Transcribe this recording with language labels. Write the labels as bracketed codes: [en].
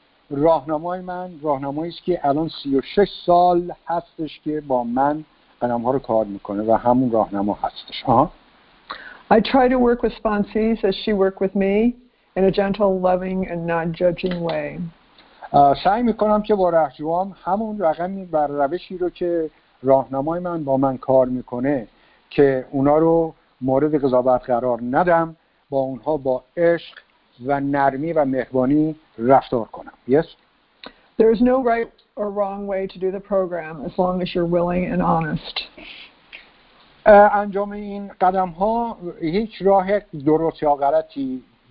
[fa] راهنمای من راهنمایی است که الان 36 سال هستش که با من قدم‌ها رو کار میکنه و همون راهنما هستش. [en] I try to work with sponsees as she worked with me in a gentle, loving and not judging way. [fa] سعی میکنم که با رهجوام همون رقمی بر روشی رو که راهنمای من با من کار میکنه که اونا رو مورد قضاوت قرار ندم، با اونها با عشق و نرمی و مهربانی رفتار کنم. [en] Yes. There is no right or wrong way to do the program as long as you're willing and honest. [fa] انجام این قدم ها هیچ راه درست یا غلطی